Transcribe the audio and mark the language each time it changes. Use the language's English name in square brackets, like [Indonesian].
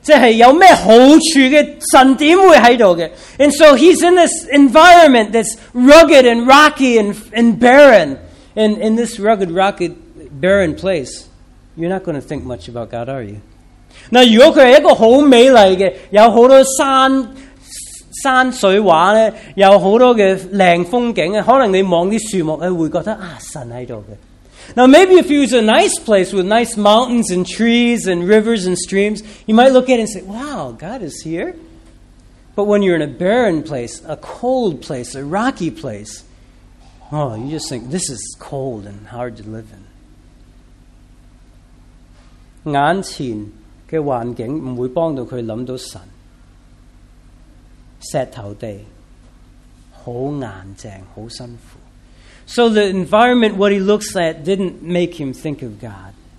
[Chinese] 那是这个荒凉的地方,你会觉得是这些荒凉的,好像沙漠地带,即是有什么好处的,神怎会在这里? [English] And so he's in this environment that's rugged and rocky and barren, in this rugged, rocky, barren place, you're not going to think much about God, are you? [Chinese] Now, 如果它是一个很美丽的，有很多山水画，有很多的靓风景，可能你望啲树木，会觉得啊，神喺度嘅。Now, [English] maybe if it was a nice place with nice mountains and trees and rivers and streams, you might look at it and say, wow, God is here. But when you're in a barren place, a cold place, a rocky place, oh, you just think, this is cold and hard to live in. [Chinese] 眼前的環境不會幫到他想到神。石頭地,很硬淨,很辛苦。 [English] So the environment, what he looks at, didn't make him think of God.